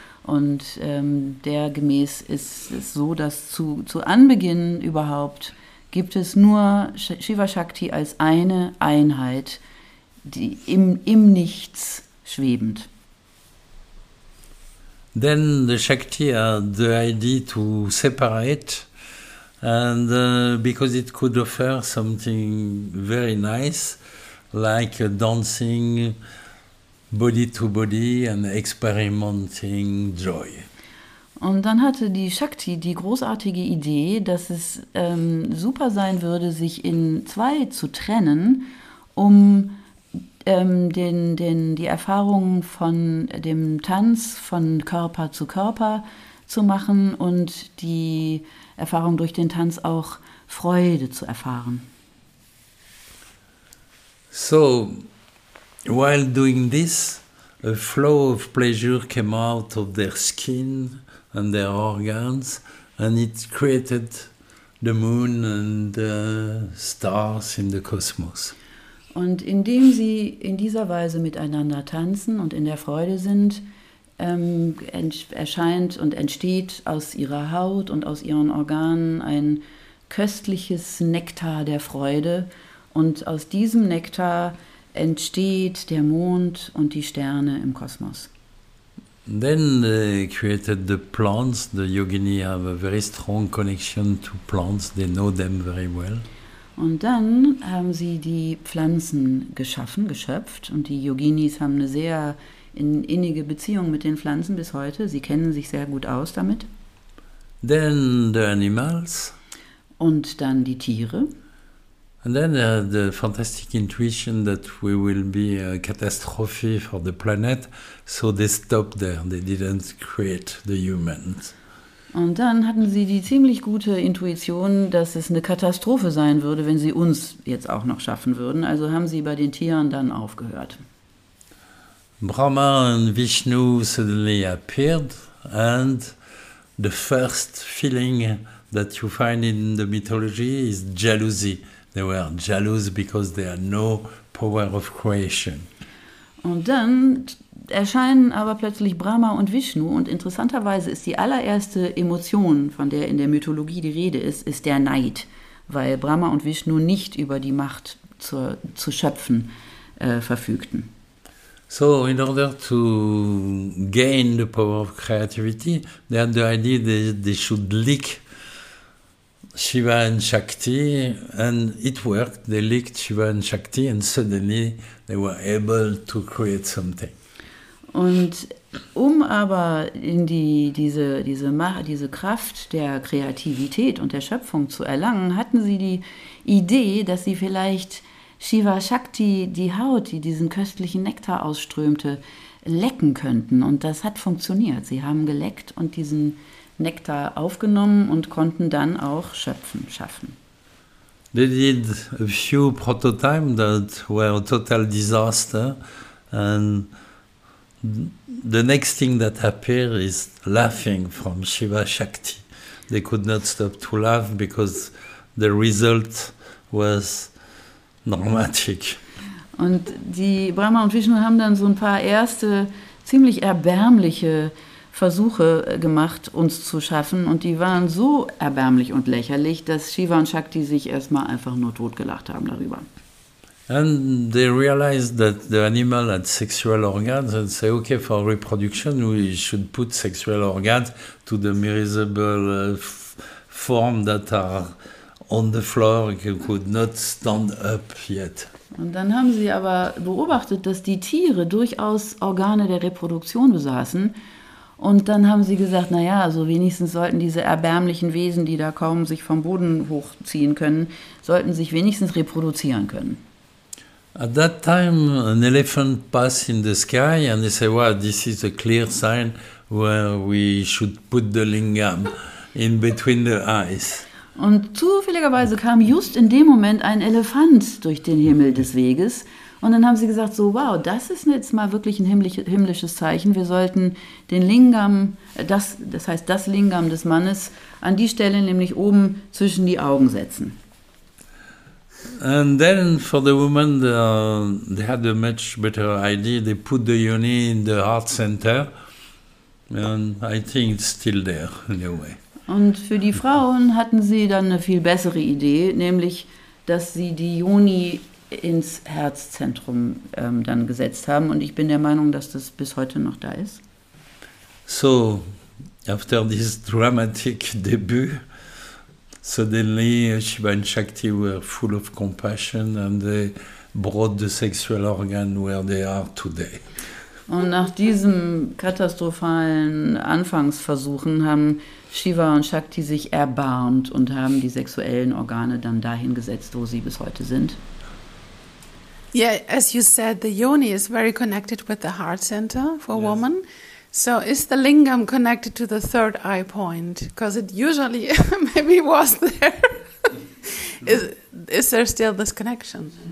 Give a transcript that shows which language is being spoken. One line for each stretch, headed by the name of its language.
German: Und dergemäß ist es so, dass zu Anbeginn überhaupt gibt es nur Shiva Shakti als eine Einheit, die im Nichts schwebend.
English: Then the Shakti had the idea to separate, and because it could offer something very nice, like dancing body to body and experimenting joy.
German: Und dann hatte die Shakti die großartige Idee, dass es super sein würde, sich in zwei zu trennen, um die Erfahrungen von dem Tanz von Körper zu Körper zu machen und die Erfahrung durch den Tanz auch Freude zu erfahren.
English: So, while doing this, a flow of pleasure came out of their skin and their organs and it created the moon and the stars in the cosmos.
German: Und indem sie in dieser Weise miteinander tanzen und in der Freude sind, erscheint und entsteht aus ihrer Haut und aus ihren Organen ein köstliches Nektar der Freude. Und aus diesem Nektar entsteht der Mond und die Sterne im Kosmos.
English: Then they created the plants. The yogini have a very strong connection to plants. They know them very well.
German: Und dann haben sie die Pflanzen geschaffen, geschöpft. Und die Yoginis haben eine sehr innige Beziehung mit den Pflanzen bis heute. Sie kennen sich sehr gut aus damit.
English: Then the animals.
German: Und dann die Tiere.
English: And then the fantastic intuition that we will be a catastrophe for the planet, so they stopped there, they didn't create the humans.
German: Und dann hatten sie die ziemlich gute Intuition, dass es eine Katastrophe sein würde, wenn sie uns jetzt auch noch schaffen würden, also haben sie bei den Tieren dann aufgehört.
English: Brahma and Vishnu suddenly appeared, and the first feeling that you find in the mythology is jealousy. They were jealous because they had no power of creation.
German: Und dann erscheinen aber plötzlich Brahma und Vishnu, und interessanterweise ist die allererste Emotion, von der in der Mythologie die Rede ist, ist der Neid, weil Brahma und Vishnu nicht über die Macht zu schöpfen verfügten.
English: So in order to gain the power of creativity, they had the idea that they should lick Shiva and Shakti, and it worked. They licked Shiva and Shakti, and suddenly they were able to create something.
German: Und aber in diese Kraft der Kreativität und der Schöpfung zu erlangen, hatten sie die Idee, dass sie vielleicht Shiva Shakti, die Haut, die diesen köstlichen Nektar ausströmte, lecken könnten. Und das hat funktioniert. Sie haben geleckt und diesen Nektar aufgenommen und konnten dann auch schöpfen, schaffen.
English: They did a few prototypes that were a total disaster. And the next thing that appeared is laughing from Shiva Shakti. They could not stop to laugh because the result was dramatic.
German: Und die Brahma und Vishnu haben dann so ein paar erste ziemlich erbärmliche Versuche gemacht, uns zu schaffen, und die waren so erbärmlich und lächerlich, dass Shiva und Shakti sich erstmal einfach nur totgelacht haben darüber.
English: And they realized that the animal had sexual organs and say, okay, for reproduction we should put sexual organs to the miserable form that are on the floor and could not stand up yet.
German: Und dann haben sie aber beobachtet, dass die Tiere durchaus Organe der Reproduktion besaßen. Und dann haben sie gesagt, naja, also wenigstens sollten diese erbärmlichen Wesen, die da kaum sich vom Boden hochziehen können, sollten sich wenigstens reproduzieren können.
English: At that time, an elephant passed in the sky and they said, wow, this is a clear sign where we should put the lingam in between the eyes.
German: Und zufälligerweise kam just in dem Moment ein Elefant durch den Himmel des Weges. Und dann haben sie gesagt, so, wow, das ist jetzt mal wirklich ein himmlisches Zeichen. Wir sollten den Lingam, das heißt das Lingam des Mannes, an die Stelle, nämlich oben zwischen die Augen setzen.
English: And then for the woman, they had a much better idea. They put the yoni in the heart center. And I think it's still there, in a way.
German: Und für die Frauen hatten sie dann eine viel bessere Idee, nämlich, dass sie die Yoni ins Herzzentrum dann gesetzt haben. Und ich bin der Meinung, dass das bis heute noch da ist.
English: So, after this dramatic debut, suddenly Shiva and Shakti were full of compassion and they brought the sexual organ where they are today.
German: Und nach diesem katastrophalen Anfangsversuchen haben Shiva und Shakti sich erbarmt und haben die sexuellen Organe dann dahin gesetzt, wo sie bis heute sind.
English: Yeah, as you said, the yoni is very connected with the heart center for a woman. So is the lingam connected to the third eye point? Because it usually maybe was there. Is there still this connection?